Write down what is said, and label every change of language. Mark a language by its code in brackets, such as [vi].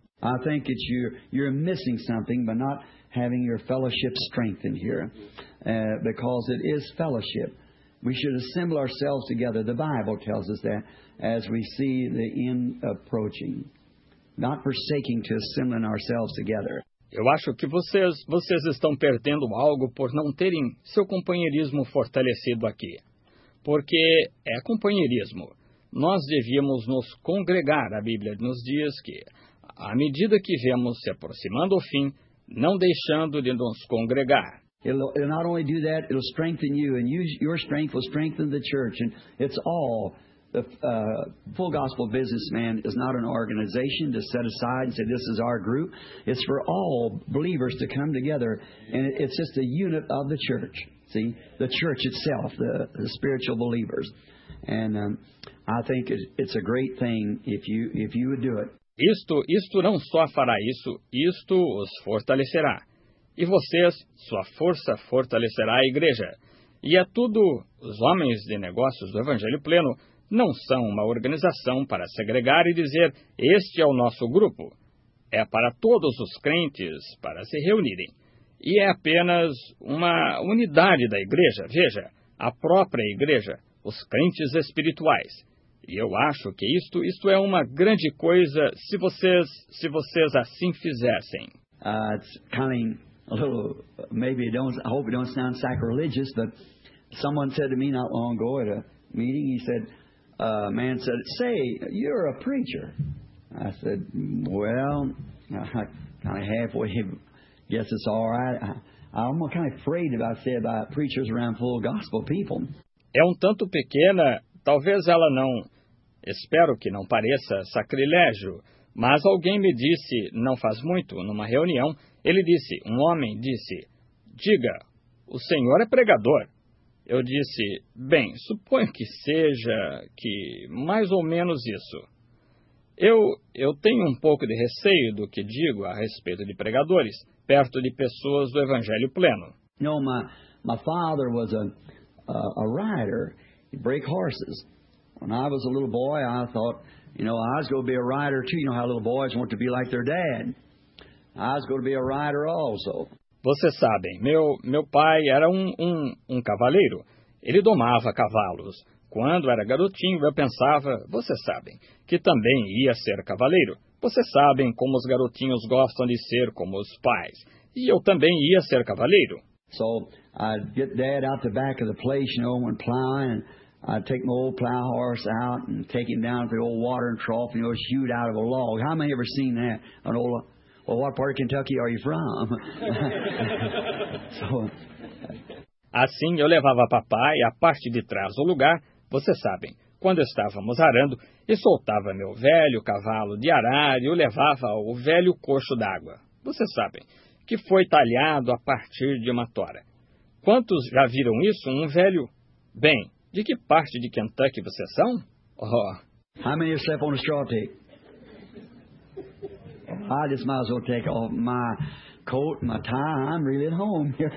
[en] I think it's you're missing something by not having your fellowship strengthened here, because it is fellowship. We should assemble ourselves together. The Bible tells us that as we see the end approaching, not forsaking to assemble ourselves together. [pt] Eu acho que vocês estão perdendo algo por não terem seu companheirismo fortalecido aqui, porque é companheirismo. Nós devíamos nos congregar. A Bíblia nos diz que à medida que vemos se aproximando o fim, não deixando de nos congregar. [en] It'll not only do that, it'll strengthen you, and your strength will strengthen the church, and it's all the full gospel businessman is not an organization to set aside and say this is our group. It's for all believers to come together, and it's just a unit of the church. See, the church itself, the spiritual believers, and I think it's a great thing if you would do it. [pt] Isto não só fará isso, isto os fortalecerá. E vocês, sua força fortalecerá a igreja. E é tudo, os homens de negócios do Evangelho Pleno não são uma organização para segregar e dizer, este é o nosso grupo. É para todos os crentes para se reunirem. E é apenas uma unidade da igreja, veja, a própria igreja, os crentes espirituais. E eu acho que isto é uma grande coisa se vocês assim fizessem. [en] It's kind of a little, maybe it don't, I hope it don't sound sacrilegious, but someone said to me not long ago at a meeting, he said, a man said, say, you're a preacher. I said, well, I kind of halfway guess it's all right. I'm kind of afraid about saying about preachers around full gospel people. [pt] É tanto pequena, talvez ela não... Espero que não pareça sacrilégio, mas alguém me disse, não faz muito, numa reunião, ele disse, um homem disse, diga, o senhor é pregador, Eu disse, bem, suponho que seja que mais ou menos isso. Eu tenho um pouco de receio do que digo a respeito de pregadores, perto de pessoas do Evangelho Pleno. [en] No, my father was a rider. He'd break horses. When I was a little boy, I thought, you know, I was going to be a rider too. You know how little boys want to be like their dad. I was going to be a rider also. [pt] Vocês sabem, meu pai era um cavaleiro. Ele domava cavalos. Quando era garotinho, eu pensava, vocês sabem, que também ia ser cavaleiro. Vocês sabem como os garotinhos gostam de ser como os pais. E eu também ia ser cavaleiro. [en] So, I'd get dad out the back of the place, you know, when plowing. I'd take my old plow horse out and take him down to the old watering trough, you know, shoot out of a log. How many ever seen that? An old, well, what part of Kentucky are you from? [pt] So, assim, eu levava papai à parte de trás do lugar, vocês sabem, quando estávamos arando, e soltava meu velho cavalo de arar e o levava ao velho coxo d'água. Vocês sabem, que foi talhado a partir de uma tora. Quantos já viram isso? Um velho... Bem, de que parte de Kentucky vocês são? Oh. [en] How many slept on a straw tape? I just might as well take off my coat, my tie, I'm really at home.